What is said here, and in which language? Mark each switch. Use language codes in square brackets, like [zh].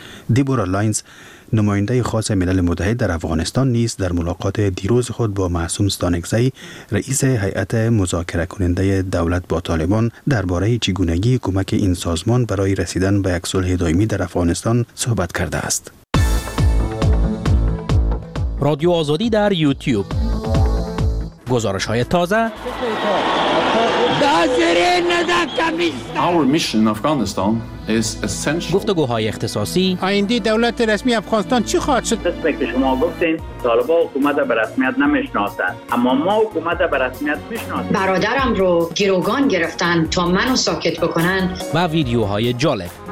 [fa] دیبورا لاینز نماینده خاص ملل متحد در افغانستان نیز در ملاقات دیروز خود با معصوم ستانکزی رئیس هیئت مذاکره کننده دولت با طالبان درباره چگونگی کمک این سازمان برای رسیدن به یک صلح دائمی در افغانستان صحبت کرده است. رادیو آزادی در یوتیوب گزارش های تازه [en] Our mission in Afghanistan is essential. [fa] گفتگوهای اختصاصی. آیندی دولت رسمی افغانستان چی خواهد شد؟ قسمی که شما گفتین طالبا حکومت به رسمیت نمیشناسند. اما ما حکومت به رسمیت میشناسیم. برادرم رو گروگان گرفتن تا منو ساکت بکنن. و ویدیوهای جالب.